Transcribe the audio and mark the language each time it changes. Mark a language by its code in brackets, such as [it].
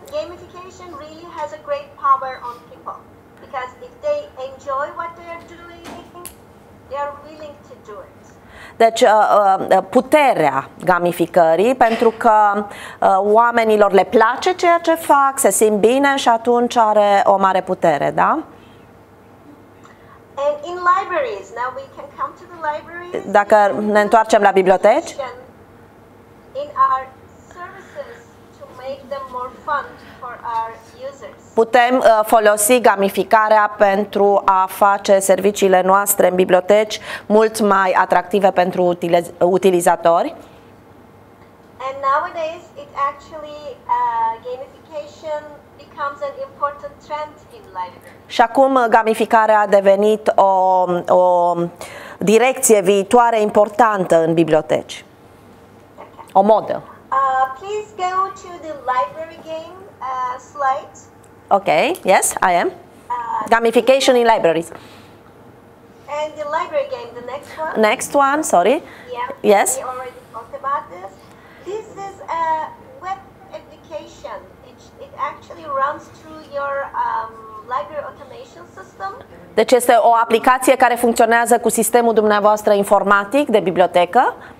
[en] Gamification really has a great power on people because if they enjoy what they are doing, they are willing to do it. [ro] Deci puterea gamificării, pentru că oamenilor le place ceea ce fac, se simt bine și atunci are o mare putere, da? [en] And in libraries, now we can come to the libraries. [ro] Dacă ne întoarcem la biblioteci. [en] In our services to make them more fun for our users. [ro] Putem folosi gamificarea pentru a face serviciile noastre în biblioteci mult mai atractive pentru utilizatori. [en] And nowadays it actually gamification becomes an important trend in libraries. [ro] Și acum gamificarea a devenit o direcție viitoare importantă în biblioteci. O modă. [en] Please go to the library game slide. Okay, yes, I am. Gamification in libraries. And the library game, the next one. Next one, sorry. Yeah, yes. We already talked about this. This is a web application. It actually runs through your library automation system. [ro] Deci este o aplicație care funcționează cu sistemul dumneavoastră informatic de bibliotecă.